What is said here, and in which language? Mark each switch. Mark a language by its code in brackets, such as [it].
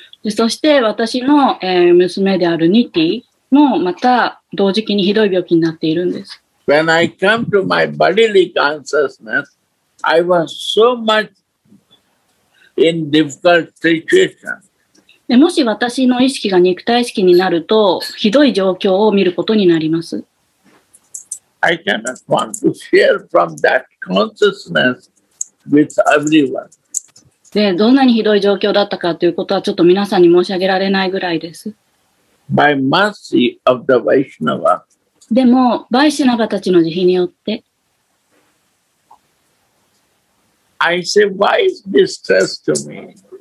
[ja] そして私の、娘であるニティもまた同時期にひどい病気になっているんです。 [en] When I come to my bodily consciousness, I was so much in difficult situation. [ja] もし私の意識が肉体意識になると、ひどい状況を見ることになります。 [en] I cannot want to share from that consciousness with everyone. [ja] で、どんなにひどい状況だったかということは、ちょっと皆さんに申し上げられないぐらいです。 [en] By mercy of the Vaishnava. [ja] でも、バイシナバたちの慈悲によって。 [en] I say, why is this stress to me?